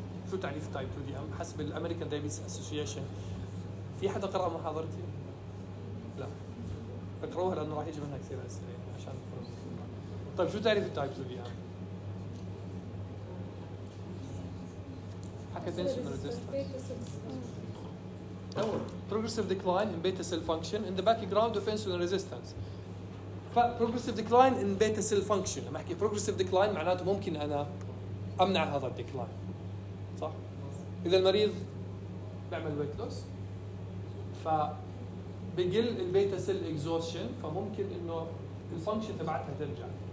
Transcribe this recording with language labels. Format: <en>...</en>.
<ar>شو تعريف التايب 2 دي ام حسب الامريكان دايبيتس اسوسيشن؟ في حدا قرا محاضرتي؟ لا اقروها لانه راح يجي منها كثير اسئله عشان تقرأ. طيب شو تعريف التايب 2 دي ام؟ حكيت انسولين ريزيستنس</ar> <en>progressive decline in beta cell function in the background of insulin resistance. Progressive decline in beta cell function</en> <ar>لما حكي progressive decline معناته ممكن أنا أمنع هذا decline صح؟ إذا المريض بعمل weight loss فبقل البيتا cell exhaustion فممكن إنه الفانكشن تبعتها ترجع.</ar>